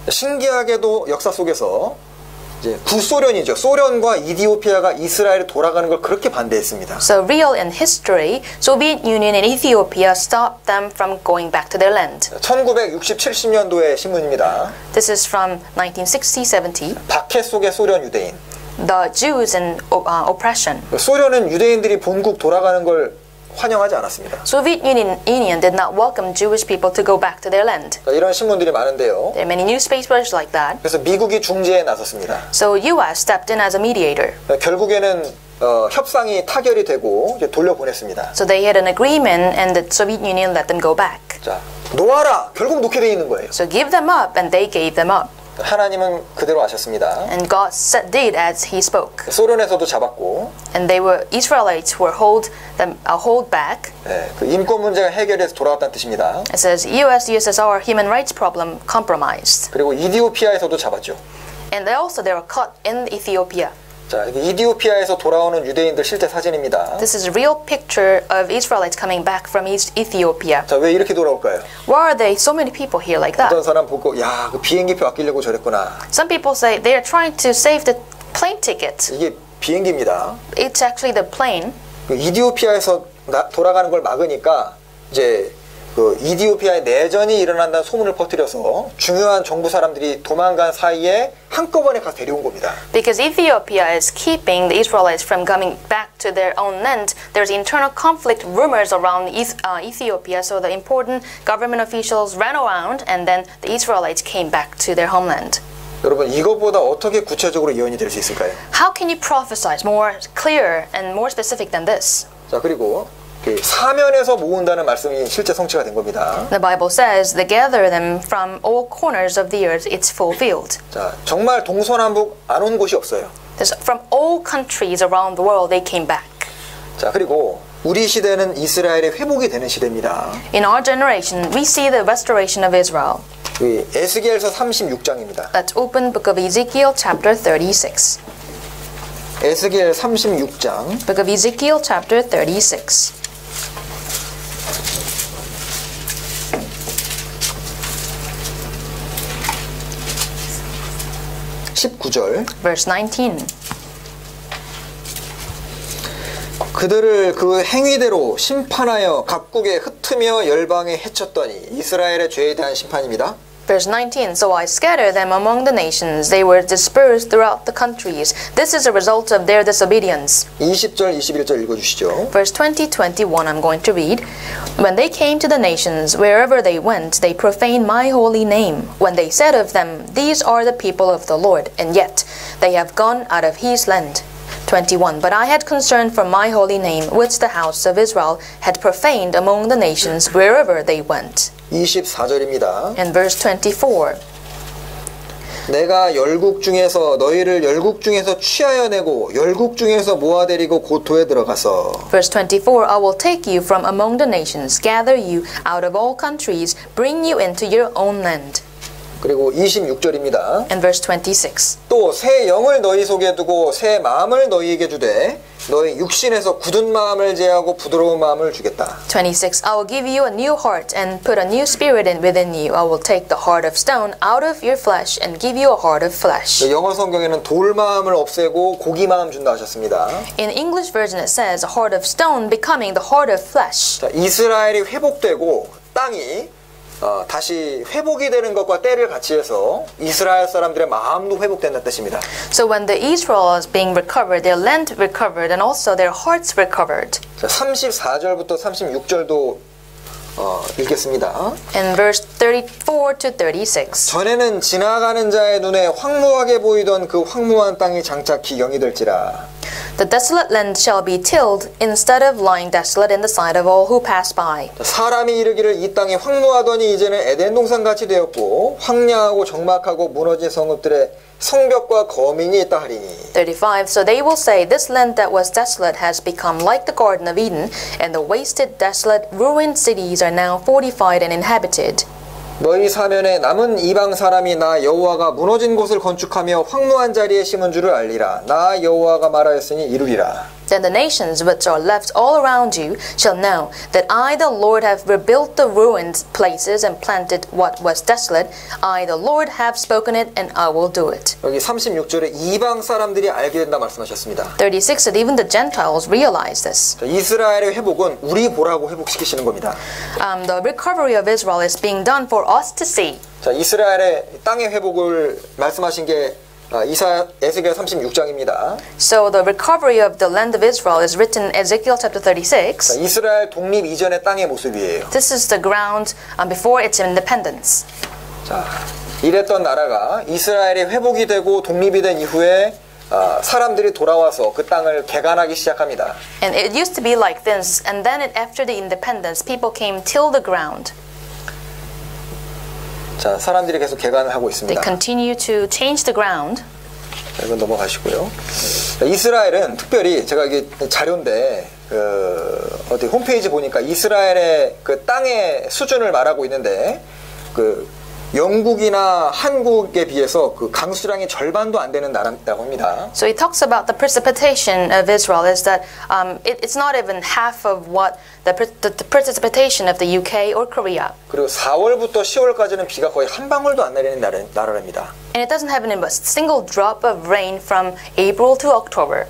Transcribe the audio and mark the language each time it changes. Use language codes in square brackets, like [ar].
[ko] 신기하게도 역사 속에서 구소련이죠. 소련과 이디오피아가 이스라엘에 돌아가는 걸 그렇게 반대했습니다. [en] So real in history, Soviet Union and Ethiopia stopped them from going back to their land. [ko] 1967년도의 신문입니다. [en] This is from 1960-70. [ko] 박해 속의 소련 유대인. [en] The Jews in oppression. [ko] 소련은 유대인들이 본국 돌아가는 걸 환영하지 않았습니다. [en] Soviet Union did not welcome Jewish people to go back to their land. [ko] 이런 신문들이 많은데요. [en] There are many newspapers like that. [ko] 그래서 미국이 중재에 나섰습니다. [en] So US stepped in as a mediator. [ko] 결국에는 협상이 타결이 되고 이제 돌려보냈습니다. [en] So they had an agreement and the Soviet Union let them go back. [ko] 자, 놓아라. 결국 놓게 돼 있는 거예요. [en] So give them up and they gave them up. [ko] 하나님은 그대로 하셨습니다. [en] And God said, did as he spoke. [ko] 소련에서도 잡았고. [en] And they were Israelites were hold them hold back. [ko] 네, 그 인권 문제가 해결돼서 돌아왔다는 뜻입니다. [en] It says US USSR human rights problem compromised. [ko] 그리고 이디오피아에서도 잡았죠. [en] And they also they were caught in Ethiopia. [ko] 자, 이디오피아에서 돌아오는 유대인들 실제 사진입니다. [en] This is a real picture of Israelites coming back from East Ethiopia. [ko] 자, 왜 이렇게 돌아올까요? [en] Why are they so many people here like that? [ko] 어떤 사람 보고 야, 그 비행기표 아끼려고 저랬구나. [en] Some people say they are trying to save the plane ticket. [ko] 이게 비행기입니다. [en] It's actually the plane. [ko] 그 이디오피아에서 돌아가는 걸 막으니까 이제 그 이디오피아의 내전이 일어난다는 소문을 퍼뜨려서 중요한 정부 사람들이 도망간 사이에 한꺼번에 가서 데려온 겁니다. [en] Because Ethiopia is keeping the Israelites from coming back to their own land, there's internal conflict rumors around Ethiopia, so the important government officials ran around and then the Israelites came back to their homeland. [ko] 여러분, 이것보다 어떻게 구체적으로 예언이 될 수 있을까요? [en] How can you prophesy more clear and more specific than this? [ko] 자, 그리고 사면에서 모은다는 말씀이 실제 성취가 된 겁니다. [en] The Bible says they gather them from all corners of the earth. It's fulfilled. [ko] 자, 정말 동서남북 안 온 곳이 없어요. [en] From all countries around the world, they came back. [ko] 자, 그리고 우리 시대는 이스라엘의 회복이 되는 시대입니다. [en] In our generation, we see the restoration of Israel. [ko] 에스겔서 36장입니다. [en] Let's open Book of Ezekiel chapter 36. [ko] 에스겔 36장. [en] Book of Ezekiel chapter 36. [ko] 19절. [en] Verse 19. [ko] 그들을 그 행위대로 심판하여 각국에 흩으며 열방에 해쳤더니 이스라엘의 죄에 대한 심판입니다. [en] Verse 19. So I scattered them among the nations. They were dispersed throughout the countries. This is a result of their disobedience. [ko] 20절, 21절 읽어주시죠. [en] Verse 20, 21. I'm going to read. When they came to the nations, wherever they went, they profaned my holy name. When they said of them, these are the people of the Lord, and yet they have gone out of his land. 21. But I had concern for my holy name, which the house of Israel had profaned among the nations wherever they went. [ko] 24절입니다. [en] And verse 24. [ko] 내가 열국 중에서 너희를 열국 중에서 취하여 내고 열국 중에서 모아 데리고 고토에 들어가서 [en] Verse 24 I will take you from among the nations gather you out of all countries bring you into your own land. [ko] 그리고 26절입니다. [en] And verse 26. [ko] 또 새 영을 너희 속에 두고 새 마음을 너희에게 주되 너의 육신에서 굳은 마음을 제하고 부드러운 마음을 주겠다. [en] 26. I will give you a new heart and put a new spirit within you. I will take the heart of stone out of your flesh and give you a heart of flesh. [ko] 영어 성경에는 돌 마음을 없애고 고기 마음 준다 하셨습니다. [en] In English version it says a heart of stone becoming the heart of flesh. [ko] 자, 이스라엘이 회복되고 땅이 다시 회복이 되는 것과 때를 같이 해서 이스라엘 사람들의 마음도 회복된다는 뜻입니다. [en] So when the Israel is being recovered, their land recovered and also their hearts recovered. [ko] 자, 34절부터 36절도 읽겠습니다. [en] In verse 34 to 36. [ko] 전에는 지나가는 자의 눈에 황무하게 보이던 그 황무한 땅이 장차 기경이 될지라. [en] The desolate land shall be tilled instead of lying desolate in the sight of all who pass by. [ko] 사람이 이르기를 이 땅이 황무하더니 이제는 에덴 동산같이 되었고 황량하고 적막하고 무너진 성읍들의 성벽과 거민이 있다 하리니. [en] 35. So they will say, this land that was desolate has become like the Garden of Eden, and the wasted, desolate, ruined cities are now fortified and inhabited. [ko] 너희 사면에 남은 이방 사람이 나 여호와가 무너진 곳을 건축하며 황무한 자리에 심은 줄을 알리라. 나 여호와가 말하였으니 이루리라. [en] Then the nations which are left all around you shall know that I, the Lord, have rebuilt the ruined places and planted what was desolate. I, the Lord, have spoken it, and I will do it. [ko] 여기 36절에 이방 사람들이 알게 된다 말씀하셨습니다. [en] 36. That even the Gentiles realize this. [ko] 이스라엘의 회복은 우리 보라고 회복시키시는 겁니다. [en] The recovery of Israel is being done for us to see. [ko] 자, 이스라엘의 땅의 회복을 말씀하신 게 에스겔 36장입니다. [en] So the recovery of the land of Israel is written in Ezekiel chapter 36. [ko] 자, 이스라엘 독립 이전의 땅의 모습이에요. [en] This is the ground before its independence. [ko] 자, 이랬던 나라가 이스라엘이 회복이 되고 독립이 된 이후에 사람들이 돌아와서 그 땅을 개간하기 시작합니다. [en] And it used to be like this, and then after the independence, people came till the ground. [ko] 자, 사람들이 계속 개간을 하고 있습니다. [en] They continue to change the ground. [ko] 자, 이건 넘어가시고요. 자, 이스라엘은 특별히 제가 이게 자료인데 어디 홈페이지 보니까 이스라엘의 그 땅의 수준을 말하고 있는데 그 영국이나 한국에 비해서 그 강수량이 절반도 안 되는 나라라고 합니다. [en] So he talks about the precipitation of Israel is that it's not even half of what the precipitation of the UK or Korea. [ko] 그리고 4월부터 10월까지는 비가 거의 한 방울도 안 내리는 나라랍니다. [en] And it doesn't have a single drop of rain from April to October.